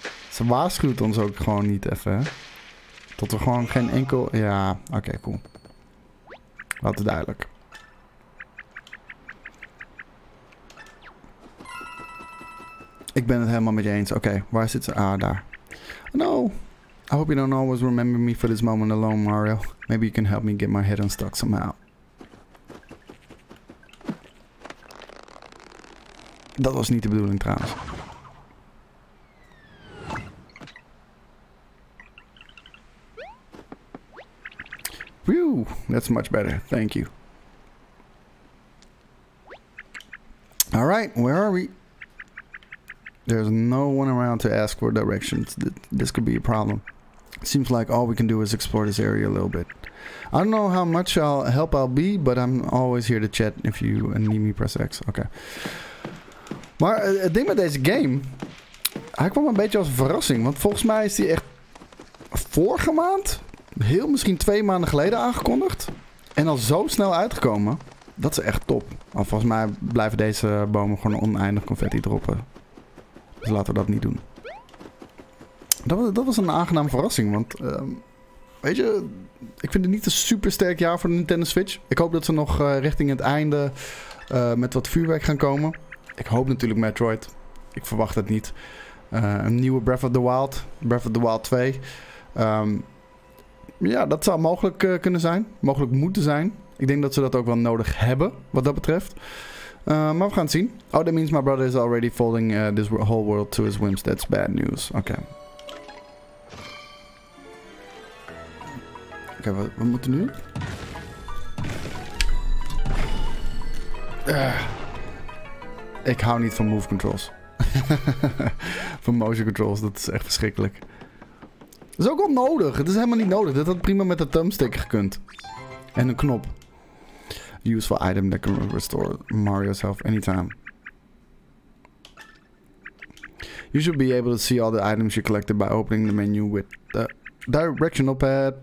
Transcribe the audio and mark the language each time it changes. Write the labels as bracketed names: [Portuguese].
[Dutch] Ze waarschuwt ons ook gewoon niet even. Tot we gewoon geen enkel. Ja, oké, okay, cool. Wat duidelijk. Ik ben het helemaal met je eens. Oké, waar zit ze? Ah, daar. No. [English] I hope you don't always remember me for this moment alone, Mario. Maybe you can help me get my head unstuck somehow. [Dutch] Dat was niet de bedoeling trouwens. [English] Phew, that's much better. Thank you. Alright, where are we? There's no one around to ask for directions. This could be a problem. Seems like all we can do is explore this area a little bit. I don't know how much help I'll be, but I'm always here to chat. If you need me, press X. Okay. [Dutch] Maar het ding met deze game, hij kwam een beetje als verrassing. Want volgens mij is die echt vorige maand, heel misschien 2 maanden geleden aangekondigd. En al zo snel uitgekomen. Dat is echt top. Maar volgens mij blijven deze bomen gewoon oneindig confetti droppen. Dus laten we dat niet doen. Dat was een aangename verrassing, want weet je, ik vind het niet een super sterk jaar voor de Nintendo Switch. Ik hoop dat ze nog richting het einde met wat vuurwerk gaan komen. Ik hoop natuurlijk Metroid. Ik verwacht het niet. Een nieuwe Breath of the Wild. Breath of the Wild 2. Ja, dat zou mogelijk kunnen zijn. Mogelijk moeten zijn. Ik denk dat ze dat ook wel nodig hebben, wat dat betreft. Maar we gaan het zien. [English] Oh, that means my brother is already folding this whole world to his whims. That's bad news. Oké. [Dutch] Oké, we moeten nu. Ik hou niet van move controls. Van motion controls, dat is echt verschrikkelijk. Dat is ook onnodig. Het is helemaal niet nodig. Dat had prima met de thumbstick gekund. En een knop. [English] Useful item that can restore Mario's health anytime. You should be able to see all the items you collected by opening the menu with the directional pad.